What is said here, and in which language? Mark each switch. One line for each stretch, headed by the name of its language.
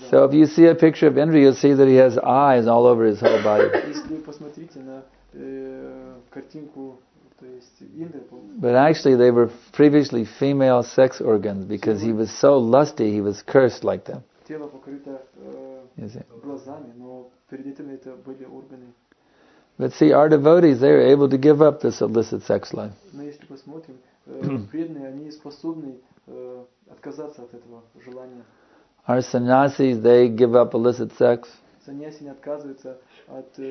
English: So if you see a picture of Indra, you'll see that he has eyes all over his whole body.
Russian: Если вы посмотрите на картинку, то есть Индра.
English: But actually, they were previously female sex organs because he was so lusty, he was cursed like them.
Russian: Тело покрыто глазами, но перед этим это были органы.
English: But see, our devotees, they are able to give up this illicit sex life.
Russian: Но если посмотрим, преданные, они способны отказаться от этого желания.
English: Our sannyasis, they give up illicit sex.
Russian: Саньяси не отказываются от.